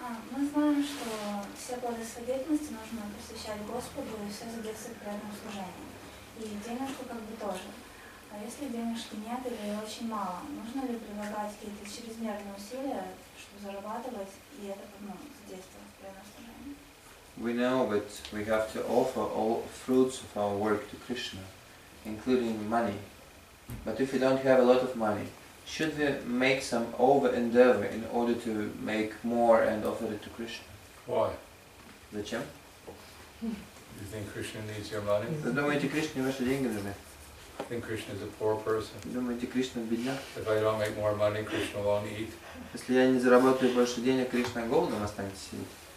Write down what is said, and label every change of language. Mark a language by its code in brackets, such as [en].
[ru] Мы знаем, что все плоды своей деятельности нужно посвящать Господу и все задействовать к преданному служению. И денежку как бы тоже. А если денежки нет или очень мало, нужно ли прилагать какие-то чрезмерные усилия, чтобы зарабатывать и это ну, задействовать в преданном служении? [en] We know that we have to offer all fruits of our work to Krishna, including money. But if we don't have a lot of money, should we make some over-endeavor in order to make more and offer it to Krishna? Why? [ru] Зачем? [en] You think Krishna needs your money? [ru] Вы думаете, Кришне ваши деньги нужны? [en] Think Krishna is a poor person? [ru] Думаете, Кришна бедняк? [en] If I don't make more money, Krishna won't eat. [ru] Если я не заработаю больше денег, Кришна голодом останется сидеть.